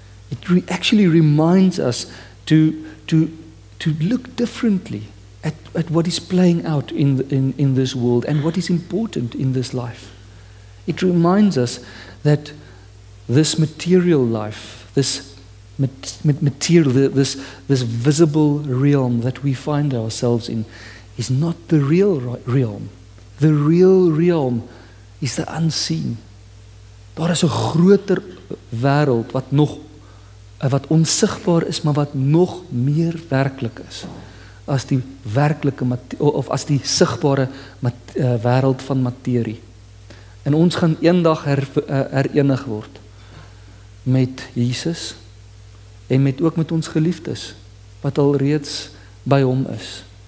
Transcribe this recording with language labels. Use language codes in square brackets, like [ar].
[en] It actually reminds us to look differently at what is playing out in this world and what is important in this life. It reminds us that this material life, this visible realm that we find ourselves in, is not the real realm. The real realm is the unseen. [af] Daar is 'n groter wêreld wat onsigbaar is, maar wat nog meer werklik is as die werklike of as die sigbare wêreld van materie. En ons gaan eendag herenig word met Jesus en ook met ons geliefdes wat al reeds by Hom is.